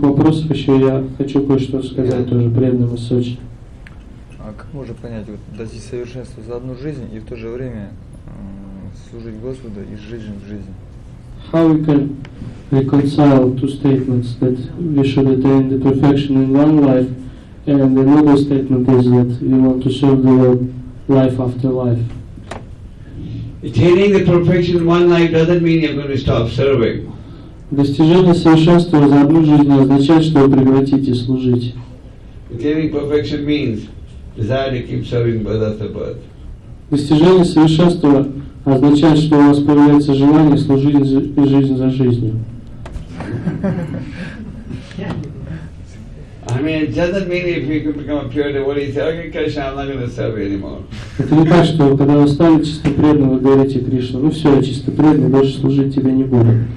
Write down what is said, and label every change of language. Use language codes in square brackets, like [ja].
[ru] вопросов еще я хочу кое-что сказать тоже преданному Сочи. А как можно понять, вот достичь совершенства за [en] How we can reconcile two statements that we should attain the perfection in one life, and another statement is that we want to serve the Lord life after life. Attaining the perfection in one life doesn't mean you're going to stop serving. [ru] Достижение совершенства за одну жизнь означает, что вы прекратите служить. [en] Attaining perfection means desire to keep serving birth after birth. [ru] Достижение совершенства означает, что у вас появляется желание служить жизнь за жизнью. [en] I mean, it doesn't mean if you can become a pure devotee, you say, okay, Krishna, I'm not going to serve you anymore. [ru] Это не так, что когда вы стали чисто преданным, вы говорите Кришна, ну все, я чисто преданный, больше служить тебе не буду.